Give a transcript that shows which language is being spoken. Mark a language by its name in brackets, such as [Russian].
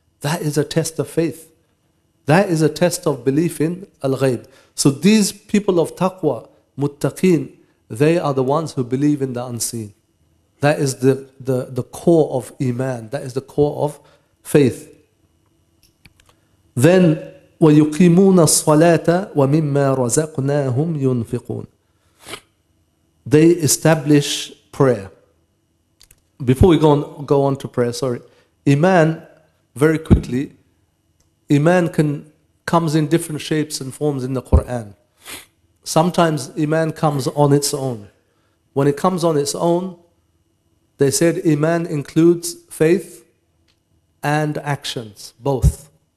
[English] That is a test of faith. That is a test of belief in al-ghayb. So these people of taqwa, muttaqeen, they are the ones who believe in the unseen. That is the core of iman. That is the core of faith. Then, [Arabic] وَيُقِيمُونَ الصَّلَاةَ وَمِمَّا رَزَقْنَاهُمْ يُنْفِقُونَ. [English] They establish prayer. Before we go on to prayer, sorry. Iman, very quickly, iman comes in different shapes and forms in the Quran. Sometimes iman comes on its own. When it comes on its own, they said iman includes faith and actions, both.